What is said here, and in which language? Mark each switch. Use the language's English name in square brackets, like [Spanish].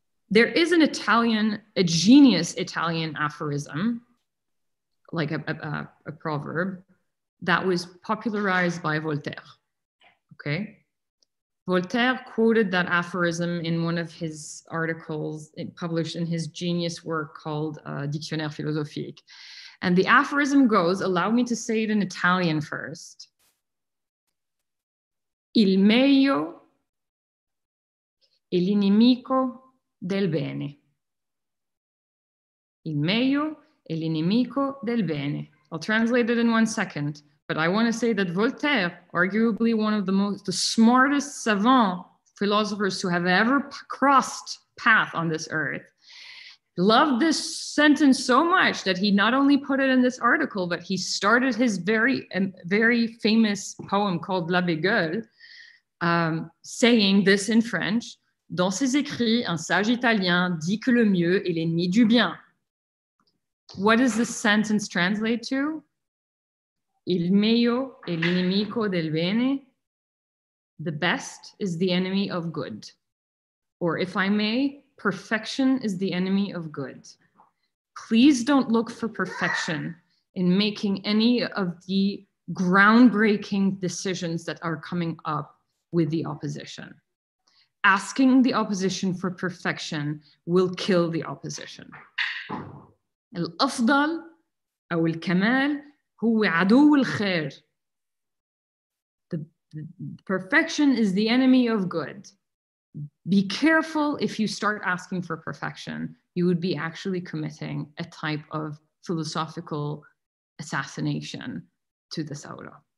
[English] There is an Italian, a genius Italian aphorism, like a proverb, that was popularized by Voltaire. Okay? Voltaire quoted that aphorism in one of his articles published in his genius work called Dictionnaire Philosophique. And the aphorism goes, allow me to say it in Italian first. [Italian] Il meglio è l'inimico del bene. Il meglio è l'inimico del bene. [English] I'll translate it in 1 second, but I want to say that Voltaire, arguably one of the smartest savant philosophers who have ever crossed path on this earth, loved this sentence so much that he not only put it in this article, but he started his very, very famous poem called La Bégueule, saying this in French, [French] dans ses écrits, un sage italien dit que le mieux est l'ennemi du bien. [English] What does this sentence translate to? [Italian] Il meglio è l'inimico del bene. [English] The best is the enemy of good. Or if I may, perfection is the enemy of good. Please don't look for perfection. in making any of the groundbreaking decisions that are coming up with the opposition. Asking the opposition for perfection will kill the opposition. [Arabic] الأفضل أو الكمال هو عدو الخير. [English] Perfection is the enemy of good. Be careful if you start asking for perfection. You would be actually committing a type of philosophical assassination to the Sara.